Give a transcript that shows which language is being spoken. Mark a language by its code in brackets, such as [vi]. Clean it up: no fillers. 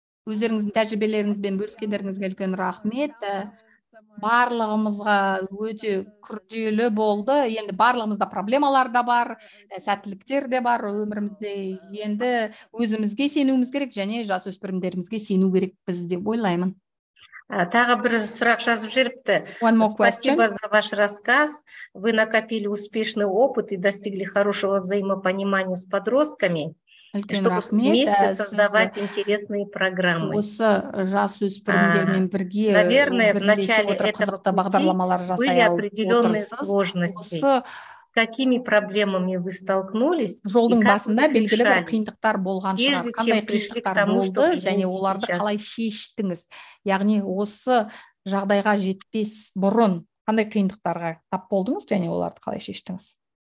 [kk] Өздеріңіздің тәжірибелеріңізбен бөліскендеріңізге үлкен рахмет. Барлығымызға өте күрделі болды. Енді барлығымызда проблемалар да бар, сәттіліктер де бар өмірімізде. Енді өзімізге сенуіміз керек және жасөспірімдерімізге сену керек біз деп ойлаймын. Тағы бір сұрақ жазып жіберіпті. [ru] Спасибо за ваш рассказ. Вы накопили успешный опыт и достигли хорошего взаимопонимания с подростками. Чтобы вместе создавать интересные программы. [kk] Осы жасөспірімдермен бірге, [ru] наверное, в начале этого пути были определенные сложности. [kk] Осы [ru] какими проблемами вы столкнулись? [kk] Жолдың басында белгілі бір қиындықтар болған шығар. Қандай қиындықтар болды және оларды қалай шештіңіз? Яғни осы жағдайға жетпес бұрын қандай қиындықтарға тап болдыңыз және оларды қалай шештіңіз?